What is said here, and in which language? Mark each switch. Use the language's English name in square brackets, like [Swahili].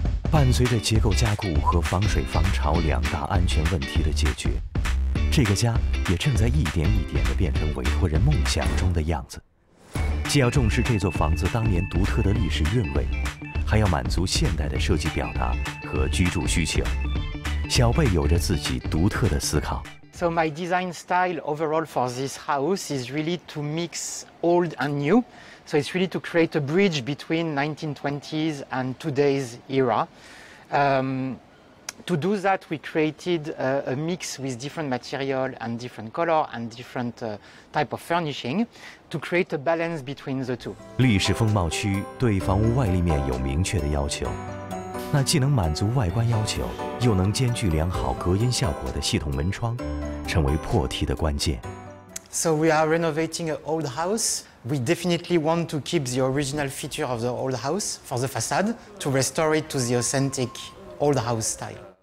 [Chinese] 伴随着结构加固和防水防潮两大安全问题的解决，这个家也正在一点一点地变成委托人梦想中的样子。既要重视这座房子当年独特的历史韵味，还要满足现代的设计表达和居住需求。小贝有着自己独特的思考。 [English] So my design style overall for this house is really to mix old and new. So it's really to create a bridge between 1920s and today's era. To do that, we created a mix with different material and different color and different type of furnishing to create a balance between the two. [Chinese] 历史风貌区对房屋外立面有明确的要求，那既能满足外观要求，又能兼具良好隔音效果的系统门窗，成为破题的关键。 [English] So we are renovating an old house. We definitely want to keep the original feature of the old house for the facade to restore it to the authentic old house style.